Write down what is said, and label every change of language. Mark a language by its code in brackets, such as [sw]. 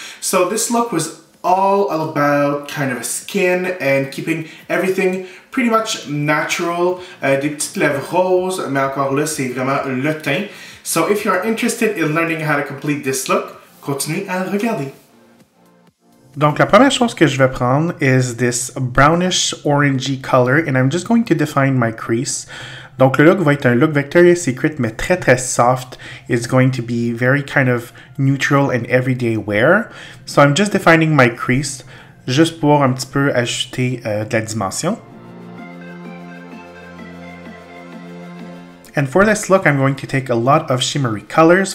[en] So this look was all about kind of skin and keeping everything pretty much natural. [fr] Des petites lèvres roses, mais encore là, c'est vraiment le teint. [en] So if you are interested in learning how to complete this look, [fr] continue à regarder. Donc la première chose que je vais prendre [en] is this brownish orangey color and I'm just going to define my crease. [fr] Donc le look va être un look Victoria's Secret mais très très soft. [en] It's going to be very kind of neutral and everyday wear. So I'm just defining my crease [fr] juste pour un petit peu ajouter de la dimension. [en] And for this look, I'm going to take a lot of shimmery colors.